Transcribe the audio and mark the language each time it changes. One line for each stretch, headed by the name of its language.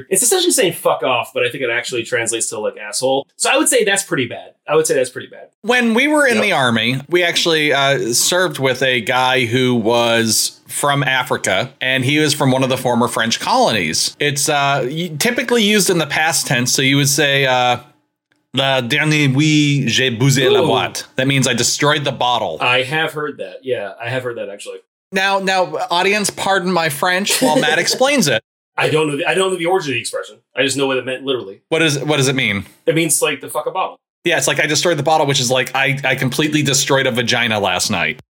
English: It's essentially saying fuck off, but I think it actually translates to like asshole. So I would say that's pretty bad. When we were in the army, we actually served with a guy who was from Africa, and he was from one of the former French colonies. It's typically used in the past tense.
French: So you would say, la dernière nuit, j'ai bousé la boîte.
English: That means I destroyed the bottle. I have heard that. Yeah, I have heard that, actually. Now, audience, pardon my French while Matt explains it. I don't know the origin of the expression. I just know what it meant, literally. What does it mean? It means, like, the fuck a bottle. Yeah, it's like I destroyed the bottle, which is like I completely destroyed a vagina last night.